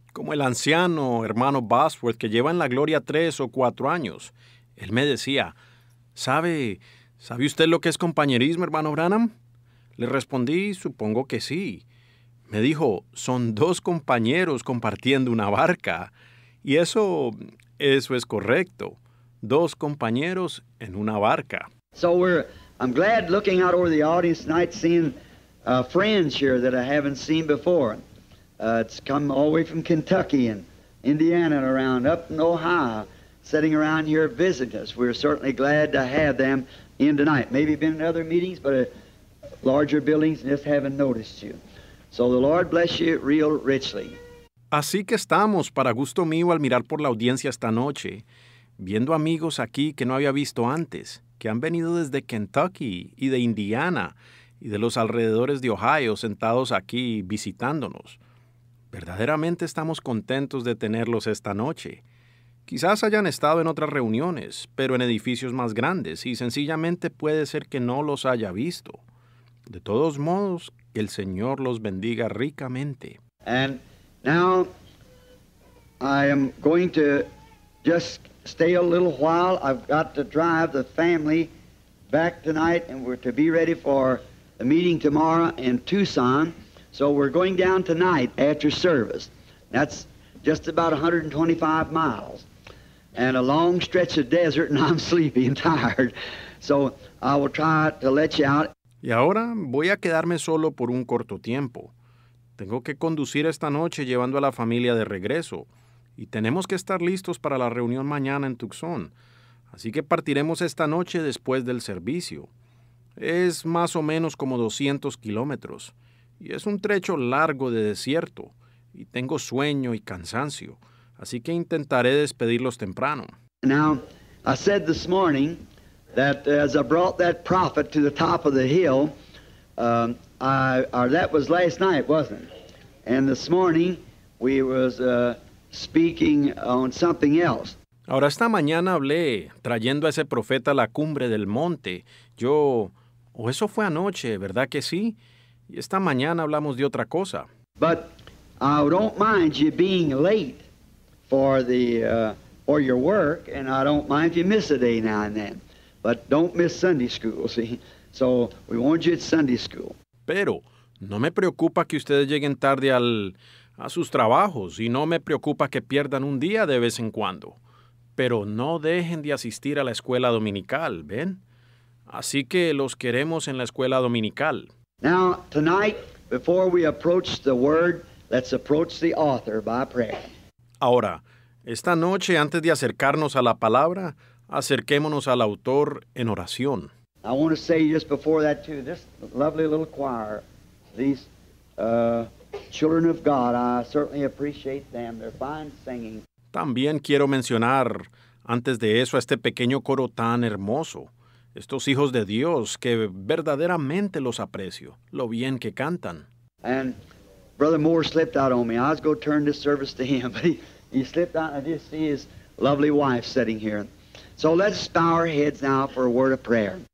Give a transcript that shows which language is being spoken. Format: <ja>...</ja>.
<es>Como el anciano hermano Bosworth que lleva en la gloria 3 o 4 años, él me decía, ¿Sabe usted lo que es compañerismo, hermano Branham? Le respondí, supongo que sí. Me dijo, son dos compañeros compartiendo una barca. Y eso es correcto. Dos compañeros en una barca.</es> <en>So I'm glad looking out over the audience tonight, seeing friends here that I haven't seen before. It's come all the way from Kentucky and Indiana and around, up in Ohio, sitting around here visiting us. We're certainly glad to have them in tonight. Maybe been in other meetings, but larger buildings just haven't noticed you. So the Lord bless you real richly.</en> <es>Así que estamos, para gusto mío, al mirar por la audiencia esta noche, viendo amigos aquí que no había visto antes, que han venido desde Kentucky y de Indiana y de los alrededores de Ohio sentados aquí visitándonos. Verdaderamente estamos contentos de tenerlos esta noche. Quizás hayan estado en otras reuniones, pero en edificios más grandes, y sencillamente puede ser que no los haya visto. De todos modos, que el Señor los bendiga ricamente.</es> <en>And now I am going to just stay a little while. I've got to drive the family back tonight, and we're to be ready for a meeting tomorrow in Tucson. So we're going down tonight after service. That's just about 125 miles. And a long stretch of desert, and I'm sleepy and tired. So I will try to let you out.</en> <es>Y ahora voy a quedarme solo por un corto tiempo. Tengo que conducir esta noche llevando a la familia de regreso. Y tenemos que estar listos para la reunión mañana en Tucson. Así que partiremos esta noche después del servicio. Es más o menos como 200 kilómetros. Y es un trecho largo de desierto. Y tengo sueño y cansancio. Así que intentaré despedirlos temprano.</es> <en>Now, I said this morning that as I brought that prophet to the top of the hill, that was last night, wasn't it? And this morning, we was speaking on something else.</en> <es>Ahora, esta mañana hablé, trayendo a ese profeta a la cumbre del monte. Eso fue anoche, ¿verdad que sí? Y esta mañana hablamos de otra cosa.</es> <en>But I don't mind you being late for your work, and I don't mind if you miss a day now and then. But don't miss Sunday school, see? So we want you at Sunday school.</en> <es>Pero no me preocupa que ustedes lleguen tarde a sus trabajos, y no me preocupa que pierdan un día de vez en cuando. Pero no dejen de asistir a la escuela dominical, ¿ven? Así que los queremos en la escuela dominical.</es> <en>Now, tonight, before we approach the word, let's approach the author by prayer.</en> <es>Ahora, esta noche, antes de acercarnos a la palabra, acerquémonos al autor en oración.</es> <en>I want to say just before that too, this lovely little choir, these children of God, I certainly appreciate them. They're fine singing.</en> <es>También quiero mencionar, antes de eso, a este pequeño coro tan hermoso. Estos hijos de Dios, que verdaderamente los aprecio, lo bien que cantan.</es> <en>And Brother Moore slipped out on me. I was going to turn this service to him, but he slipped out. I just see his lovely wife sitting here. So let's bow our heads now for a word of prayer.</en>